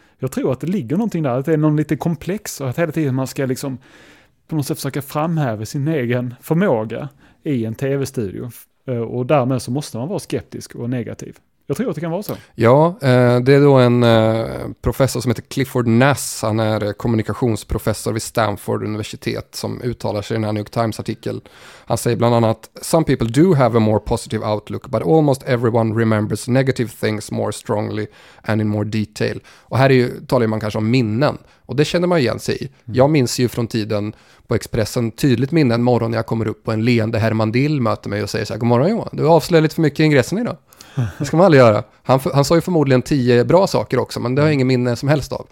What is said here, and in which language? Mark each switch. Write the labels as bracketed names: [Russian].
[Swedish] Jag tror att det ligger någonting där, att det är någon lite komplex och att hela tiden man ska liksom på något sätt försöka framhäva sin egen förmåga i en tv-studio. Och därmed så måste man vara skeptisk och negativ. Jag tror att det kan vara så. Ja, det är då en professor som heter Clifford Nass. Han är kommunikationsprofessor vid Stanford universitet som uttalar sig i den här New York Times-artikeln. Han säger bland annat: [English] "Some people do have a more positive outlook, but almost everyone remembers negative things more strongly and in more detail." [Swedish] Och här är ju, talar man kanske om minnen. Och det känner man igen sig i. Jag minns ju från tiden på Expressen tydligt minne en morgon när jag kommer upp och en leende Herman Dill möter mig och säger så här: "God morgon Johan, du avslöjar lite för mycket i ingressen idag." Det ska man aldrig göra. Han sa ju förmodligen 10 bra saker också, men det har jag ingen minne som helst av.